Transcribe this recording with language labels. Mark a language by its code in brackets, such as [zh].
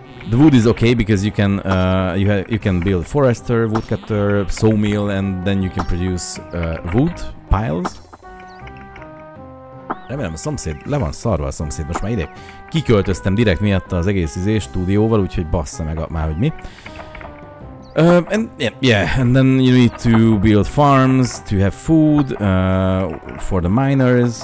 [en] The wood is okay because you can you can build forester, woodcutter, sawmill, and then you can produce wood piles. [hu] Remélem, a szomszéd le van szarva a szomszéd, most már ide kiköltöztem direkt miatta az egész izé stúdióval, úgyhogy bassza meg már, hogy mi. [en] And then you need to build farms to have food for the miners.